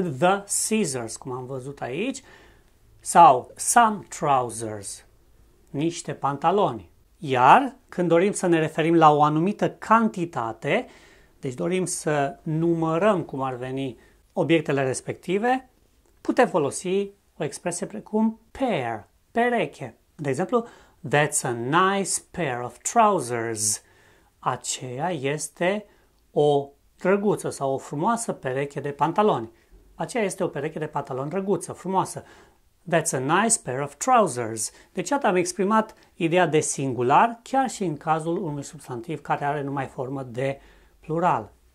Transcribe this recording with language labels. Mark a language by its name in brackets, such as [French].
[English] The scissors, [Romanian] cum am văzut aici, sau [English] some trousers, [Romanian] niște pantaloni. Iar când dorim să ne referim la o anumită cantitate, deci dorim să numărăm cum ar veni obiectele respective, putem folosi o expresie precum pair, pereche. De exemplu, [English] that's a nice pair of trousers. [Romanian] Aceea este o drăguță sau o frumoasă pereche de pantaloni. Aceea este o pereche de pantaloni drăguță, frumoasă. [English] That's a nice pair of trousers. [Romanian] Deci, iată, am exprimat ideea de singular chiar și în cazul unui substantiv care are numai formă de plural.